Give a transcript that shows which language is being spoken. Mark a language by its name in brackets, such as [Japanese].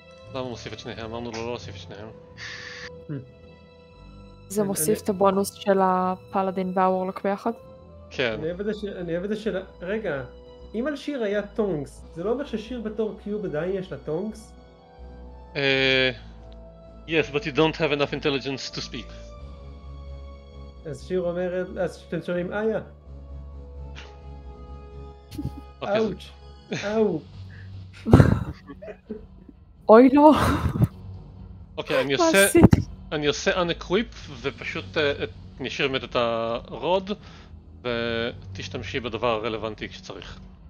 [Hebrew] למה הוא מוסיף את שניהם? אמרנו לו לא להוסיף את שניהם. זה מוסיף את הבונוס של הפלדין והוורלוק ביחד? כן. אני אוהב את זה של... רגע, אם על שיר היה טונגס, זה לא אומר ששיר בתור קיוב עדיין יש לה טונגס? [English] Yes, but you don't have enough intelligence to speak. [Hebrew] אז שיר אומרת, אז אתם שואלים איה. אאוץ', אאו. אוי לא. אוקיי, אני עושה unequip ופשוט נשאיר באמת את הרוד ותשתמשי בדבר הרלוונטי כשצריך.